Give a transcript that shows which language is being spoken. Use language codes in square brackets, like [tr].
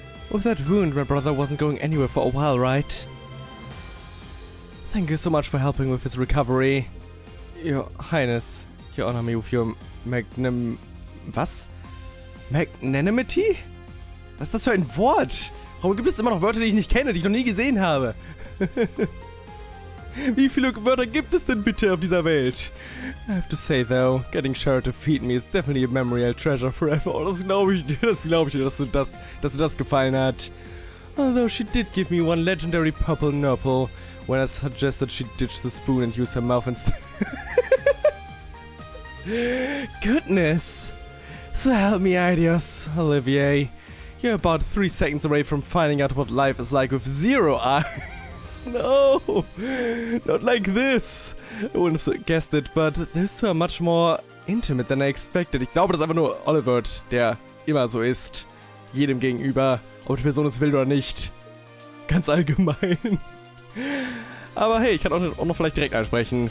[en] With that wound, my brother wasn't going anywhere for a while, right? Thank you so much for helping with his recovery. Your Highness, you honor me with your magnanimity? [de] Was ist das für ein Wort? Warum gibt es immer noch Wörter, die ich nicht kenne, die ich noch nie gesehen habe? Wie viele Wörter gibt es denn bitte auf dieser Welt? [en] I have to say though, getting Sherazad to feed me is definitely a memory I'll treasure forever. [de] Oh, das glaube ich dir, dass du das gefallen hat. [en] Although she did give me one legendary purple nurple. When I suggested she ditch the spoon and use her mouth instead. Goodness! So help me, Idios, Olivier. You're about 3 seconds away from finding out what life is like with zero eyes. No! Not like this! I wouldn't have guessed it, but those two are much more intimate than I expected. [de] Ich glaube, das ist einfach nur Oliver, der immer so ist. Jedem gegenüber, ob die Person es will oder nicht. Ganz allgemein. Aber hey, ich kann auch noch vielleicht direkt ansprechen.